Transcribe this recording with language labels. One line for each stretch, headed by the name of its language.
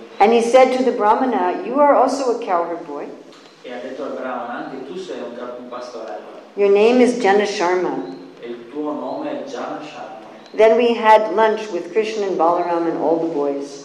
English: And he said to the Brahmana, "You are also a cowherd boy."
Italian: E ha detto al Brahmana, anche tu sei un pastorello.
English: Your name is Jana Sharma.
Italian: E il tuo nome è Jana Sharma.
English: Then we had lunch with Krishna and Balaram and all the boys.